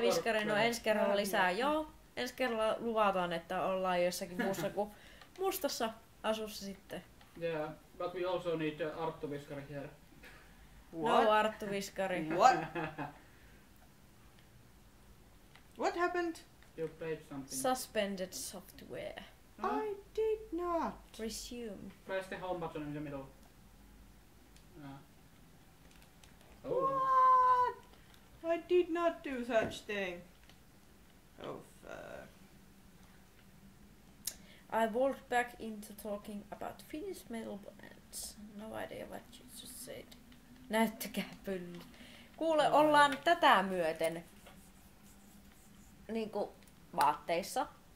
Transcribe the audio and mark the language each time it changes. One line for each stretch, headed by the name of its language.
Finnish: Viskari, no ensi kerralla lisää. Joo, ensi kerralla luvataan, että ollaan jossakin muussa kuin mustassa asussa sitten.
English: Yeah, but we also need Arttu Viskari here. What? No Arttu Viskari. What? What happened? You played something. Suspended software. No? I did not. Resume. Press the home button in the middle. Oh. What? I did not do such thing. Oh, fuck. I walked back into talking about Finnish metal bands. No idea what you just said.
Finnish: Näyttäkää pyllyt. Kuule, ollaan tätä myöten niinku vaatteissa.